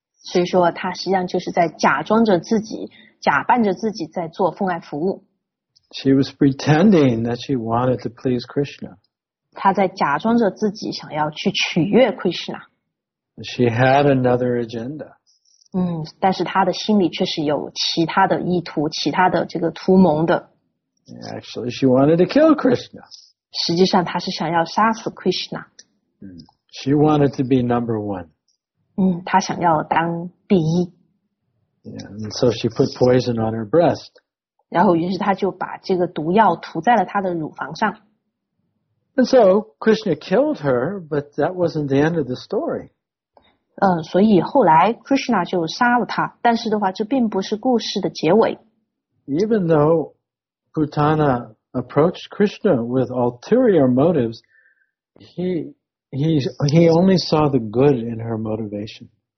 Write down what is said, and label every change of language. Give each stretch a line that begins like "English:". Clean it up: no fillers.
Chinese: 所以说，他实际上就是在假装着自己，假扮着自己在做奉爱服务。
English: She was pretending that she wanted to please Krishna.
Chinese: 她在假装着自己想要去取悦 Krishna.
English: She had another agenda.
Chinese: 但是她的心里却是有其他的意图，其他的这个图谋的。
English: Actually, she wanted to kill Krishna.
Chinese: 实际上他是想要杀死 Krishna。
English: She wanted to be number one.
Chinese: 他想要当第一。
English: Yeah, and so she put poison on her breast.
Chinese: 然后于是他就把这个毒药涂在了他的乳房上。
English: And so Krishna killed her, but that wasn't the end of the story.
Chinese: 所以后来 Krishna 就杀了他，但是的话，这并不是故事的结尾。
English: Even though Bhutana approached Krishna with ulterior motives, he only saw the good in her motivation.